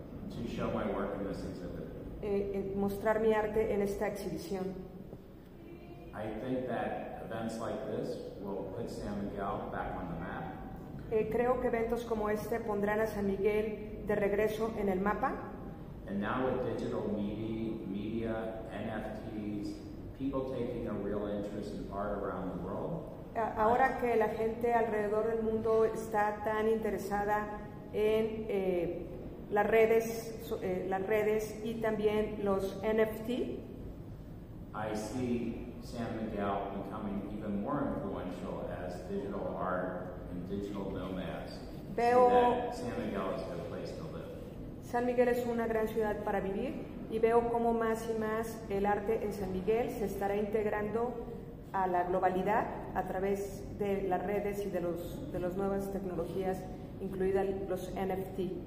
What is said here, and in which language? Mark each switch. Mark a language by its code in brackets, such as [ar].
[en] To show my work in this exhibit. [es] Mostrar mi arte en esta exhibición. [en] I think that events like this will put San Miguel back on the map. [es] Creo que eventos como este pondrán a San Miguel de regreso en el mapa. [en] And now with digital media, NFTs, people taking a real interest in art around the world. [es] Ahora que la gente alrededor del mundo está tan interesada en las redes y también los NFT. [en] I see San Miguel becoming even more influential as digital art and digital nomads. [es] Veo [en] San Miguel is a good place to live. [es] San Miguel es una gran ciudad para vivir y veo cómo más y más el arte en San Miguel se estará integrando a la globalidad a través de las redes y de las nuevas tecnologías, incluidas los NFT.